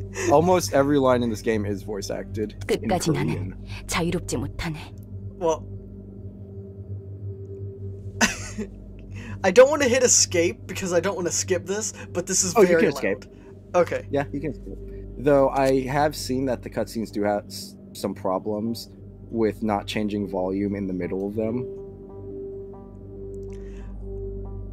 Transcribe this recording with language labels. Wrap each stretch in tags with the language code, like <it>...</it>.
<en>Almost every line in this game is voice acted.</en> <ko>끝까지 나는 자유롭지 못하네.</ko> <en>Well... I don't want to hit escape because I don't want to skip this, but this is very loud. Oh, you can escape. Okay. Yeah, you can escape. Though I have seen that the cutscenes do have some problems with not changing volume in the middle of them.</en>